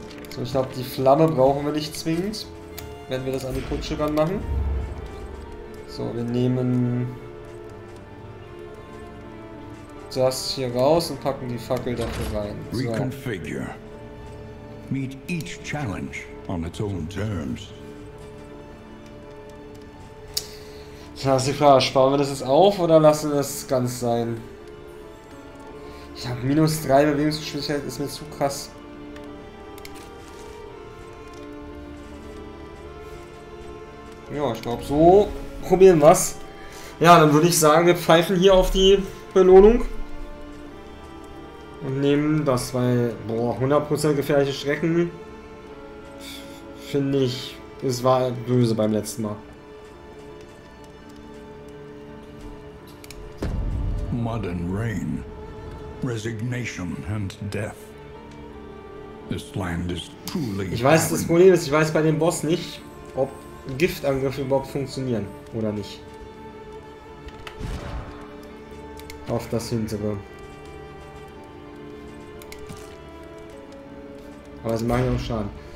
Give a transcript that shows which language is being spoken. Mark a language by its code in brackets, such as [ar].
[de] So, ich glaube, die Flamme brauchen wir nicht zwingend, wenn wir das an die Kutsche ranmachen. So, wir nehmen das hier raus und packen die Fackel dafür rein. So. [en] Reconfigure. Meet each challenge on its own terms. [de] Tja, ist die Frage, sparen wir das jetzt auf oder lassen wir das ganz sein? Ich habe minus 3 Bewegungsgeschwindigkeit, ist mir zu krass. Ja, ich glaube, so probieren wir es. Ja, dann würde ich sagen, wir pfeifen hier auf die Belohnung. Und nehmen das, weil, boah, 100% gefährliche Strecken, finde ich, es war böse beim letzten Mal. [en] Mud and rain, resignation and death. This land is truly. [de] Ich weiß, das Problem ist, ich weiß bei dem Boss nicht, ob Giftangriffe überhaupt funktionieren oder nicht. Auf das hintere. Aber sie machen ja auch Schaden.